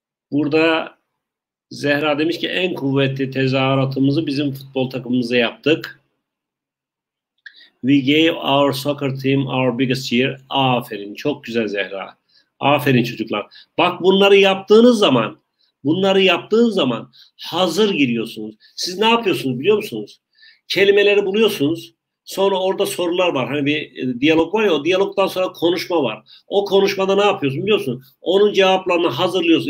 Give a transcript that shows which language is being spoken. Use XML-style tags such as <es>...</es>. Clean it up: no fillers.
<tr>Burada Zehra demiş ki en kuvvetli tezahüratımızı bizim futbol takımımıza yaptık.</tr> <en>We gave our soccer team our biggest cheer.</en> <tr>Aferin. Çok güzel Zehra. Aferin çocuklar. Bak, bunları yaptığınız zaman, bunları yaptığınız zaman hazır giriyorsunuz. Siz ne yapıyorsunuz biliyor musunuz? Kelimeleri buluyorsunuz. Sonra orada sorular var. Hani bir diyalog var ya, o diyalogdan sonra konuşma var. O konuşmada ne yapıyorsun biliyorsun? Onun cevaplarını hazırlıyorsun.</tr>